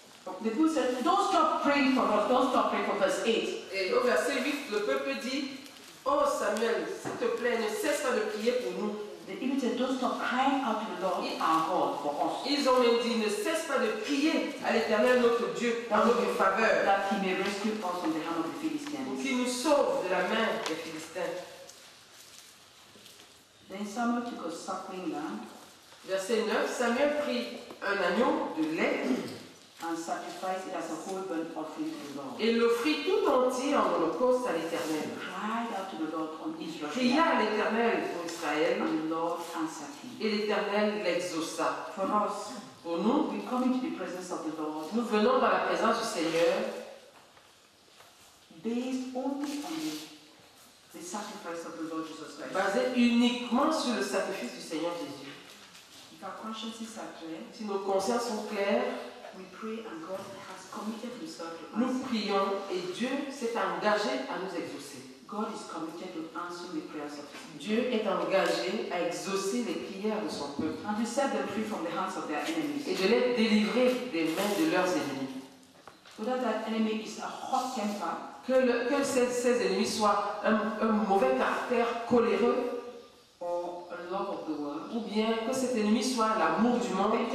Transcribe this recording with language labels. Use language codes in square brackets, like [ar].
[en] The people said, don't stop praying for us, don't stop praying for verse 8. [fr] Et au verset 8, le peuple dit, oh Samuel, s'il te plaît, ne cesse pas de prier pour nous. [en] They even said, don't stop crying out to the Lord, our God, for us. [fr] Ils ont même dit, ne cesse pas de prier à l'Éternel notre Dieu en notre faveur. [en] That he may rescue us from the hand of the Philistines. [fr] Qu'il nous sauve de la main des Philistins. [en] Then Samuel took a suckling lamb. [fr] Verset 9, Samuel prit un agneau de lait. [en] And sacrificed it as a whole burnt offering to the Lord. [fr] Et l'offrit tout entier en holocauste à l'Éternel. [en] Cried out to the Lord on Israel. [fr] Cria à l'Éternel pour Israël. [en] And the Lord answered him. [fr] Et l'Éternel l'exauça. [en] For us, [fr] pour nous, [en] we come into the presence of the Lord. [fr] Nous venons dans la présence du Seigneur. [en] Based only on the sacrifice of the Lord Jesus Christ. [fr] Basé uniquement sur le sacrifice du Seigneur Jésus. [en] If our consciences are clear. [fr] Si nos consciences sont claires. [en] We pray and God has committed himself to us. [fr] Nous prions et Dieu s'est engagé à nous exaucer. [en] God is committed to answer the prayers of his. [fr] Dieu est engagé à exaucer les prières de son peuple. [en] And to set them free from the hands of their enemies. [fr] Et de les délivrer des mains de leurs ennemis. [en] So that enemy is a hot temper. [fr] Que ces ennemis soient un mauvais caractère coléreux. [en] Or a love of the world. [fr] Ou bien que cet ennemi soit l'amour du monde.